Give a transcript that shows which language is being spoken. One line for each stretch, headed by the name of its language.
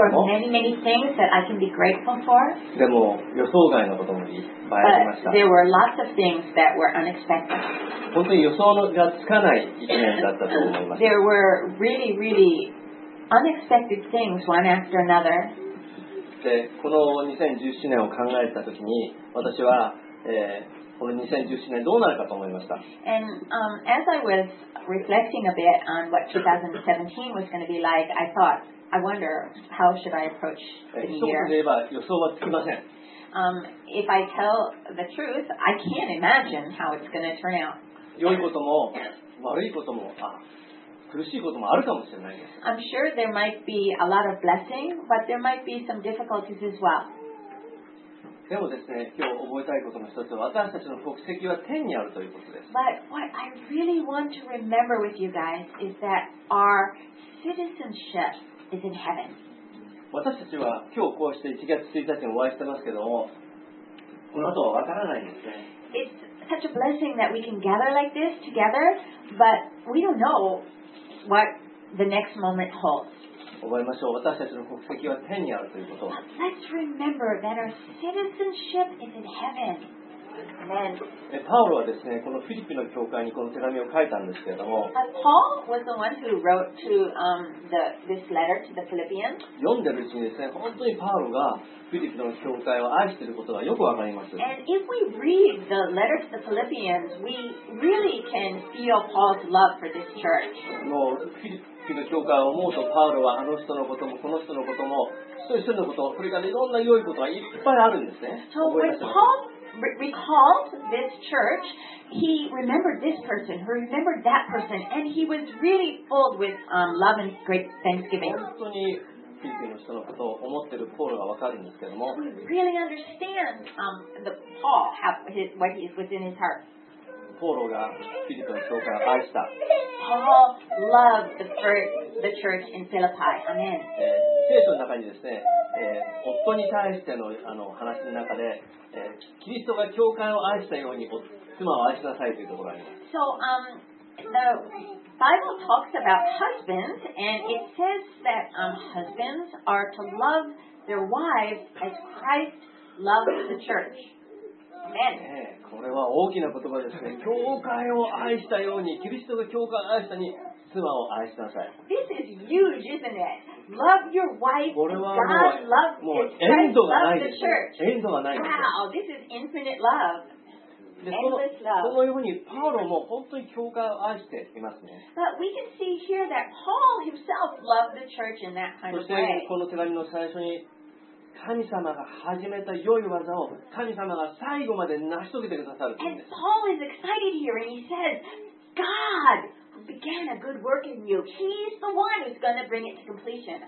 English: There were many, many things that I can be grateful for.
Japanese: でも予想外のこともいっぱいありました。
English: But there were lots of things that were unexpected.
Japanese: 本当に予想がつかない一年だったと思います。
English: There were really, really unexpected things one after another.
Japanese: で、この2017年を考えたときに、私は、この2017年どうなるかと思いました。
English: And, as I was reflecting a bit on what 2017 was going to be like, I thought, I wonder how should I approach the year.
Japanese: 一言で言えば予想はつきません。
English: If I tell the truth, I can't imagine how it's going to turn out.
Japanese: 良いことも悪いことも、あ、苦しいこともあるかもしれないです。
English: I'm sure there might be a lot of blessing, but there might be some difficulties as well.
Japanese: でもですね、今日覚えたいことの一つは、私たちの国籍は天にあるということです。
English: But what I really want to remember with you guys is that our citizenship is in heaven.
Japanese: 私たちは今日こうして1月1日にお会いしてますけども、この後はわからないんですね。
English: It's such a blessing that we can gather like this together, but we don't know what the next moment holds.
Japanese: 覚えましょう。私たちの国籍は天にあるということ。
English: Let's remember that our citizenship is in heaven. Amen.
Japanese: パウロはですね、このフィリピの教会にこの手紙を書いたんですけれども。
English: Paul was the one who wrote to this letter to the Philippians.
Japanese: 読んでるうちにですね、本当にパウロがフィリピの教会を愛していることがよくわかります。
English: And if we read the letter to the Philippians, we really can feel Paul's love for this church.
Japanese: もうフィリピの教会を思うと、パウロはあの人のこともこの人のことも一人一人のこと、それからいろんな良いことがいっぱいあるんですね。
English: So when Paul recalled this church, he remembered this person, he remembered that person, and he was really filled with love and great thanksgiving.
Japanese: 本当にフィリピの人のことを思っているポールがわかるんですけども。
English: We really understand the Paul what he is within his heart.
Japanese: ポーロがフィリピの教会を愛した。
English: Paul loved the church in Philippi. Amen.
Japanese: 聖書の中にですね、夫に対しての話の中で、キリストが教会を愛したように妻を愛しなさいというところがあります。
English: So, the Bible talks about husbands, and it says that husbands are to love their wives as Christ loved the church.
Japanese: ね、これは大きな言葉ですね。教会を愛したようにキリストが教会を愛したに妻を愛しなさい。
English: This is huge, isn't it? Love your wife.
Japanese: これはもう、エンドがないです。エンドがないです。
English: Wow, this is infinite love. Endless love.
Japanese: このようにパウロも本当に教会を愛していますね。
English: But we can see here that Paul himself loved the church in that kind of way.
Japanese: そしてこの手紙の最初に。神様が始めた良い技を神様が最後まで成し遂げてくださるんです。
English: And Paul is excited here and he says, God began a good work in you. He's the one who's going to bring it to completion.